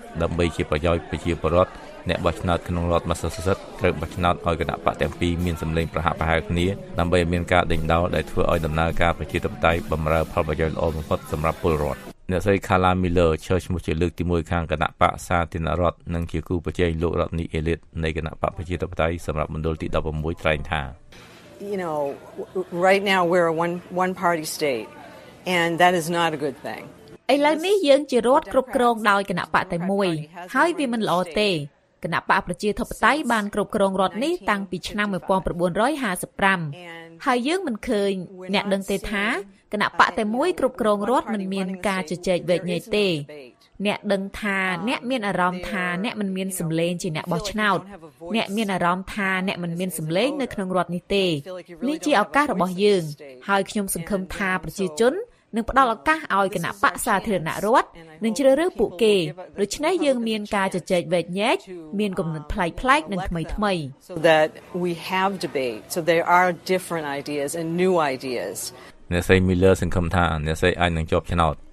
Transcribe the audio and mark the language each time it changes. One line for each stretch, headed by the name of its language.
Khmer: ដើម្បីជាប្រយោជន៍ប្រជាពលរដ្ឋអ្នកបោះឆ្នោតក្នុងរដ្ឋ Massachusetts ត្រូវបោះឆ្នោតឲ្យគណៈបកទាំងពីរមានសម្លេងប្រហាក់ប្រហែលគ្នាដើម្បីឲ្យមានការដេញដោលដែលធ្វើឲ្យដំណើរការប្រជាធិបតេយ្យបម្រើផលប្រយោជន៍ល្អបំផុតសម្រាប់ពលរដ្ឋអ្នកស្រី Carla Miller ឈរឈ្មោះជាលើកទី1ខាងគណៈបកសាធារណរដ្ឋនិងជាគូប្រជែងលោករ៉ូនីអេលីតនៃគណៈបកប្រជាធិបតេយ្យសម្រាប់មណ្ឌលទី16ត្រែងថា
English: You know right now we're a one party state and that is not a good thing
Khmer: ឥឡូវនេះយើងជារដ្ឋគ្រប់គ្រងដោយគណៈបកតែមួយហើយវាមិនល្អទេគណៈបកប្រជាធិបតេយ្យបានគ្រប់គ្រងរដ្ឋនេះតាំងពីឆ្នាំ1955ហើយយើងមិនឃើញអ្នកដឹងទេថាគណៈបកតែមួយគ្រប់គ្រងរដ្ឋមិនមានការជជែកវែកញែកទេ អ្នកដឹងថាអ្នកមានអារម្មណ៍ថាអ្នកមិនមានសម្លេងជាអ្នកបោះឆ្នោតអ្នកមានអារម្មណ៍ថាអ្នកមិនមានសម្លេងនៅក្នុងរដ្ឋនេះទេនេះជាឱកាសរបស់យើងហើយខ្ញុំសង្ឃឹមថាប្រជាជននឹងផ្ដល់ឱកាសឲ្យគណៈបក្សសាធារណរដ្ឋនឹងជ្រើសរើសពួកគេដូច្នេះយើងមានការជជែកវែកញែកមានគំនិតប្លែកៗនិងថ្មីថ្មី
English: So that we have debate so there are different ideas and new ideas
Khmer: អ្នកស្រី Miller សង្ឃឹមថាអ្នកស្រីអាចនឹងជាប់ឆ្នោត